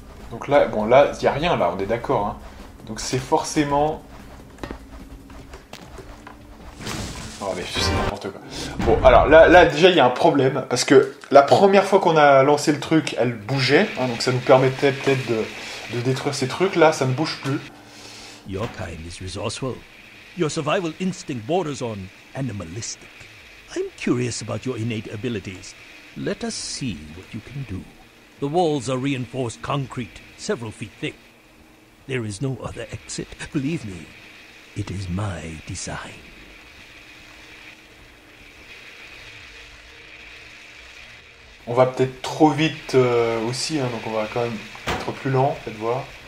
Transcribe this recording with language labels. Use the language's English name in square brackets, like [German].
[French] Donc là, bon là, il n'y a rien là, on est d'accord. Hein. Donc c'est forcément... Oh mais c'est n'importe quoi. Bon alors là, là déjà il y a un problème, parce que la première fois qu'on a lancé le truc, elle bougeait. Hein, donc ça nous permettait peut-être de détruire ces trucs. Là, ça ne bouge plus. [English] Your kind is resourceful. Your survival instinct borders on animalistic. I'm curious about your innate abilities. Let us see what you can do. The walls are reinforced concrete, several feet thick. There is no other exit. Believe me, it is my design. [French] On va peut-être trop vite aussi, hein, donc on va quand même être plus lent, faites voir.